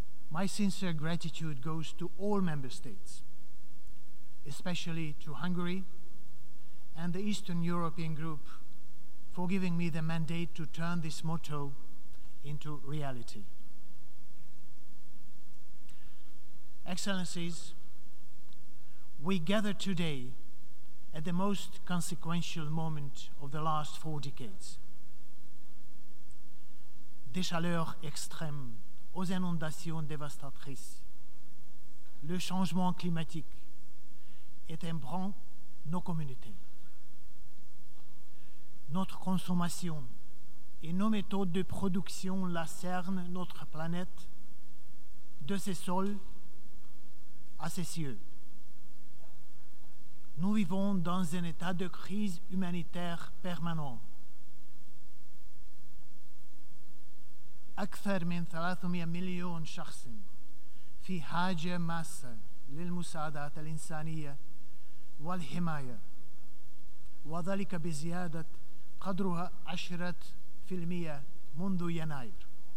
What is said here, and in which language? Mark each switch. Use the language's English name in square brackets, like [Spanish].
[English] My sincere gratitude goes to all member states, especially to Hungary and the Eastern European Group, for giving me the mandate to turn this motto into reality. Excellencies, we gather today at the most consequential moment of the last four decades. [French] Des chaleurs extrêmes aux inondations dévastatrices, le changement climatique ébranle nos communautés. Notre consommation et nos méthodes de production lacèrent notre planète, de ses sols à ses cieux. Nous vivons dans un état de crise humanitaire permanent. [Arabic] أكثر من 300 مليون شخص في حاجة ماسة للمساعدات الإنسانية والحماية وذلك بزيادة قدرها 10% منذ يناير